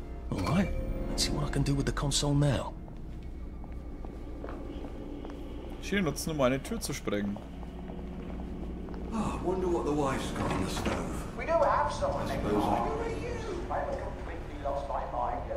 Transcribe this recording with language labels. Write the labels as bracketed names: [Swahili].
[English] Alright, let's see what I can do with the console now. [German] Schien nutzen, um eine Tür zu sprengen. [English] Oh, I wonder what the wife's got on the stove. We do have someone next door. Who are you? I have completely lost my mind.